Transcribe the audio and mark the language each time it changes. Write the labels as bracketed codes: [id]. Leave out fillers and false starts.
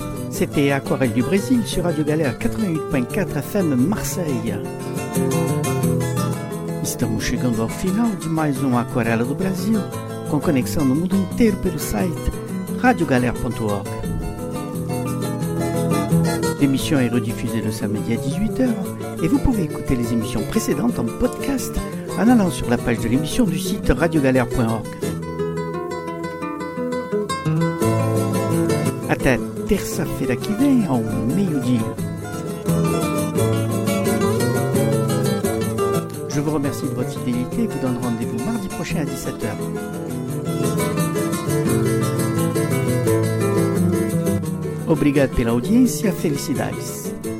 [fr] C'était Aquarelle du Brésil sur Radio Galère 88.4 FM Marseille. [pt] Estamos chegando ao final de mais Aquarela do Brasil, com conexão no mundo inteiro pelo site radiogalera.org. [fr] L'émission est rediffusée le samedi à 18h et vous pouvez écouter les émissions précédentes en podcast en allant sur la page de l'émission du site radiogalère.org. [pt] Até terça-feira que vem, ao meio-dia. [fr] Je vous remercie de votre fidélité et vous donne rendez-vous mardi prochain à 17h. [pt] Obrigado pela audiência. Felicidades.